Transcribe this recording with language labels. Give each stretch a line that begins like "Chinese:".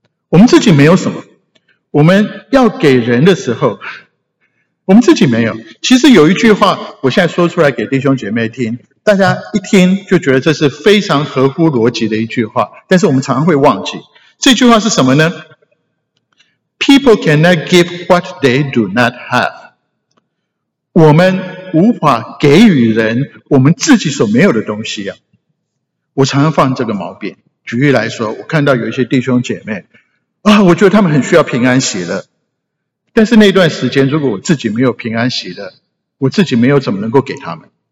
Chinese: 我们自己没有什么，我们要给人的时候，我们自己没有。其实有一句话我现在说出来给弟兄姐妹听，大家一听就觉得这是非常合乎逻辑的一句话，但是我们常常会忘记。这句话是什么呢？
English: People cannot give what they do not have。
Chinese: 我们无法给予人我们自己所没有的东西啊。我常常放这个毛病。举例来说，我看到有一些弟兄姐妹啊，我觉得他们很需要平安喜乐，但是那段时间如果我自己没有平安喜乐，我自己没有怎么能够给他们。